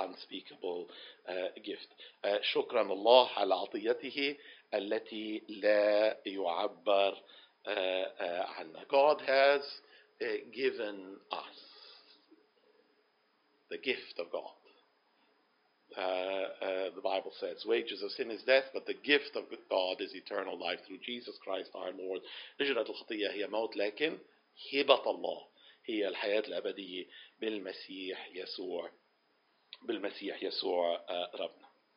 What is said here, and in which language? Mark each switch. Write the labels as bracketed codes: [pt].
[ar] شكرا الله على عطيته التي لا يعبر عنها. [en] God has given us the gift of God. The Bible says, wages of sin is death, but the gift of God is eternal life through Jesus Christ our Lord. [ar] أجرة الخطية هي موت لكن هبة الله هي الحياة الأبدية بالمسيح يسوع ربنا.